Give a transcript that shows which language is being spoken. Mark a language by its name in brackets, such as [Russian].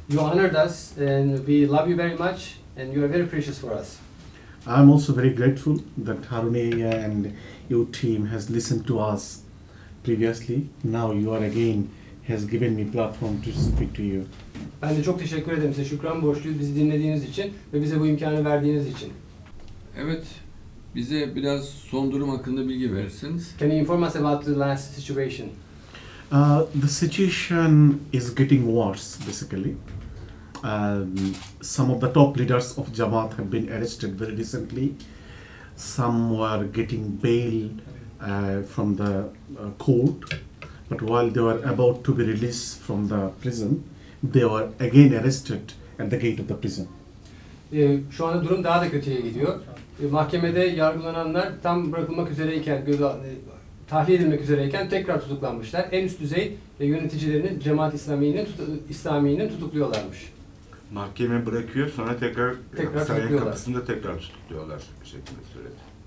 [English] You honored us and we love you very much and you are very precious for us. I'm also very grateful that Harunia and your team has listened to us previously. Now you are again has given me platform to speak to you. [Turkish] Ben de çok teşekkür ederim size. Şükran borçluyuz bizi dinlediğiniz için ve bize bu imkanı verdiğiniz için. Evet. Bize biraz son durum hakkında bilgi verirseniz. [English] Can you inform us about the last situation? The situation is getting worse, basically. Some of the top leaders of Jamaat have been arrested very recently. Some were getting bail from the court. But while they were about to be released from the prison, they were again arrested at the gate of the prison. [Turkish] Şu anda durum daha da kötüye gidiyor. Mahkemede yargılananlar tam bırakılmak üzereyken, tahliye edilmek üzereyken tekrar tutuklanmışlar. En üst düzey yöneticilerini, Cemaat-i İslami'nin tutukluyorlarmış. Mahkeme bırakıyor, sonra tekrar sarayın kapısında tekrar tutukluyorlar bir şekilde sürede.